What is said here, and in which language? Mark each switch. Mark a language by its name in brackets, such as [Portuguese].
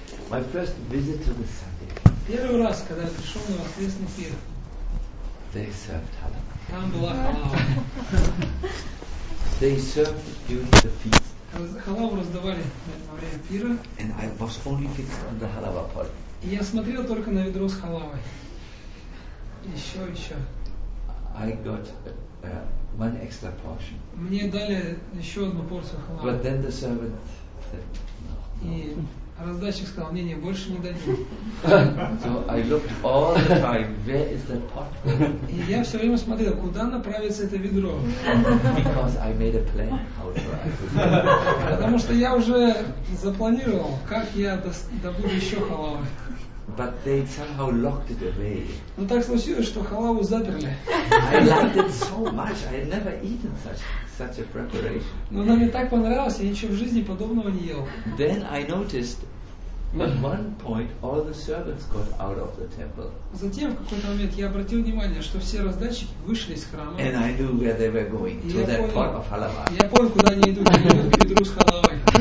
[English] My first visit to the Sunday. [Russian] Первый раз, когда я пришел на воскресный пир. [English] They served halava. [Russian] Там была халава. [English] They served during the feast. [Russian] Халаву раздавали во время пира. [English] And I was only fixed on the halava pot. [Russian] И я смотрел только на ведро с халавой. Еще. [English] I got one extra portion. [Russian] Мне дали еще одну порцию халавы. [English] But then the servant said, no. [Russian] И раздатчик сказал, не, больше не дадим. [English] So I looked all the time, where is that pot? [Russian] И я все время смотрел, куда направится это ведро. [English] Because I made a plan how to arrive. [Russian] Потому что я уже запланировал, как я добуду еще халавы. [English] But they somehow locked it away. [Russian] Ну так случилось, что халаву заперли. [English] I liked it so much. I had never eaten such a preparation. [Russian] Но она мне так понравилась, я ничего в жизни подобного не ел. [English] Then I noticed at one point all the servants got out of the temple. [Russian] Затем в какой-то момент я обратил внимание, что все раздатчики вышли из храма. [English] And I knew where they were going, to that pot of halava. [Russian] Я понял, куда они идут, они идут к ведру с халавой.